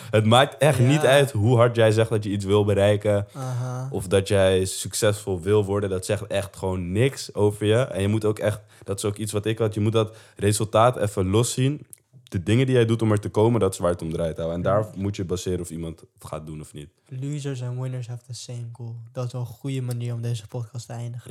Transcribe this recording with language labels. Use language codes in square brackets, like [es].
[nl] Het maakt echt niet uit hoe hard jij zegt dat je iets wil bereiken. Uh-huh. Of dat jij succesvol wil worden. Dat zegt echt gewoon niks over je. En je moet ook echt, dat is ook iets wat ik had. Je moet dat resultaat even loszien. De dingen die jij doet om er te komen, dat is waar het om draait. En daar moet je baseren of iemand het gaat doen of niet. [en] Losers and winners have the same goal. [nl] Dat is wel een goede manier om deze podcast te eindigen.